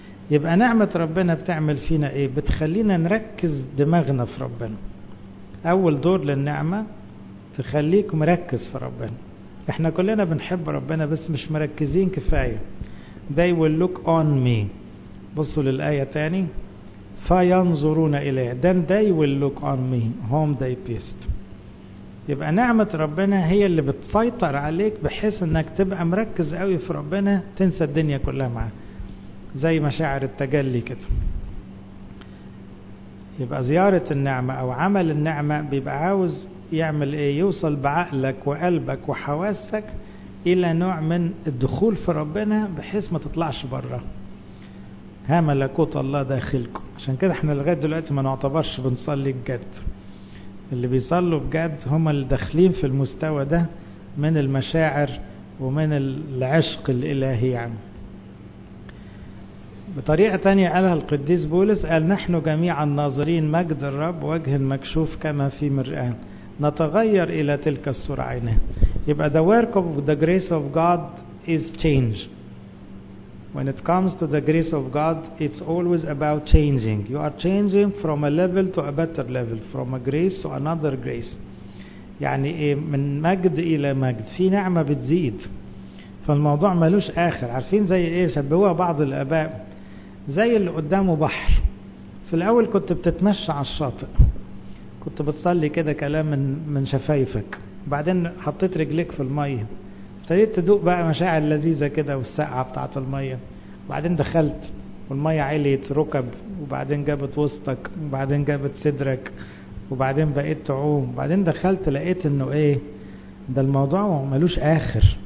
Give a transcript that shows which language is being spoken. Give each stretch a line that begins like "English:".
Arabic: يبقى نعمة ربنا بتعمل فينا ايه؟ بتخلينا نركز دماغنا في ربنا. اول دور للنعمة تخليك مركز في ربنا. احنا كلنا بنحب ربنا بس مش مركزين كفاية.
English: They will look on me،
Arabic: بصوا للآية تاني، فينظرون إليه.
English: Then they will look on me whom they pierced.
Arabic: يبقى نعمة ربنا هي اللي بتسيطر عليك بحيث انك تبقى مركز قوي في ربنا، تنسى الدنيا كلها معاه، زي مشاعر التجلي كده. يبقى زيارة النعمة او عمل النعمة بيبقى عاوز يعمل ايه؟ يوصل بعقلك وقلبك وحواسك الى نوع من الدخول في ربنا بحيث ما تطلعش بره. ها ملكوت الله داخلكم. عشان كده احنا لغاية دلوقتي ما نعتبرش بنصلي بجد. اللي بيصلوا بجد هما اللي داخلين في المستوى ده من المشاعر ومن العشق الالهي. يعني بطريقة تانية قالها القديس بولس، قال نحن جميعا ناظرين مجد الرب وجه مكشوف كما في مرآة نتغير إلى تلك الصورة عينه.
English: يبقى the work of the grace of God is change. When it comes to the grace of God, it's always about changing. You are changing from a level to a better level, from a grace to another grace.
Arabic: يعني إيه؟ من مجد إلى مجد، في نعمة بتزيد. فالموضوع ملوش آخر. عارفين زي إيه؟ شبهوها بعض الآباء زي اللي قدامه بحر. في الأول كنت بتتمشى على الشاطئ، كنت بتصلي كده كلام من شفايفك، بعدين حطيت رجلك في المية، ابتديت تدوق بقى مشاعر لذيذة كده والسقعة بتاعت المية، بعدين دخلت والمية عليت ركب، وبعدين جابت وسطك، وبعدين جابت صدرك، وبعدين بقيت تعوم، وبعدين دخلت لقيت انه ايه ده الموضوع ملوش اخر.